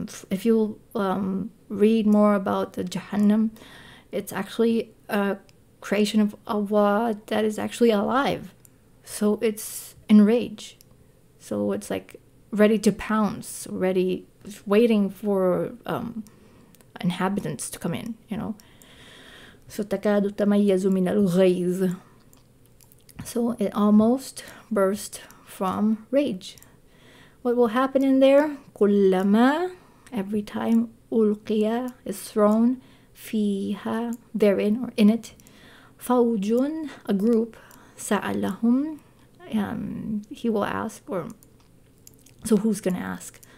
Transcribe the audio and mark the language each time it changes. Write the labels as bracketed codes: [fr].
[en] If you read more about the Jahannam, it's actually a creation of Allah that is actually alive. So it's in rage. So it's like ready to pounce, ready, waiting for inhabitants to come in, you know. [ar] So تَكَادُ تَمَيَّزُ مِنَ الْغَيْظِ. [en] So it almost burst from rage. What will happen in there? كُلَّمَا, every time, أُلْقِيَ, is thrown, فِيهَا, therein or in it, فَوْجٌ, a group, سَأَلَهُمْ, he will ask, or so who's gonna ask?